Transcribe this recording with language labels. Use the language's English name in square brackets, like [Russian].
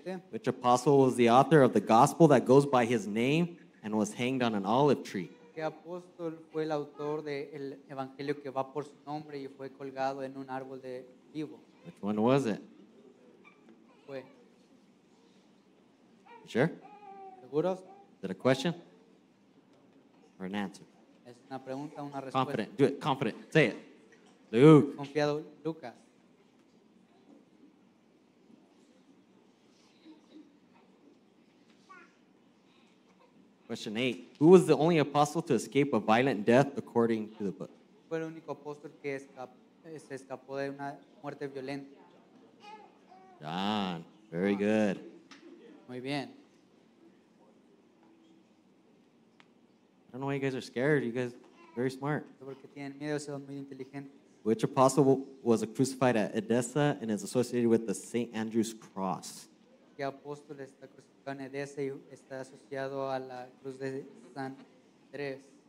[English] Which apostle was the author of the gospel that goes by his name and was hanged on an olive tree? [Spanish] ¿Qué apóstol fue el autor del evangelio que va por su nombre y fue colgado en un árbol de olivo? [English] Which one was it? [Spanish] Fue. [English] You sure? [Spanish] ¿Seguro? [English] Is that a question? Or an answer? [Spanish] Es una pregunta, una respuesta. [English] Confident, do it, confident, say it. Luke. [Spanish] Confiado, Lucas. [English] Question eight. Who was the only apostle to escape a violent death according to the book? [Spanish] Fue el único apóstol que se escapó de una muerte violenta. [English] John, very good. [Spanish] Muy bien. [English] I don't know why you guys are scared. You guys are very smart. [Spanish] Porque tienen miedo, son muy inteligentes. [English] Which apostle was crucified at Edessa and is associated with the St. Andrew's cross? [Spanish] qué apóstol está crucificado en Edesa y está asociado a la cruz de San Andrés.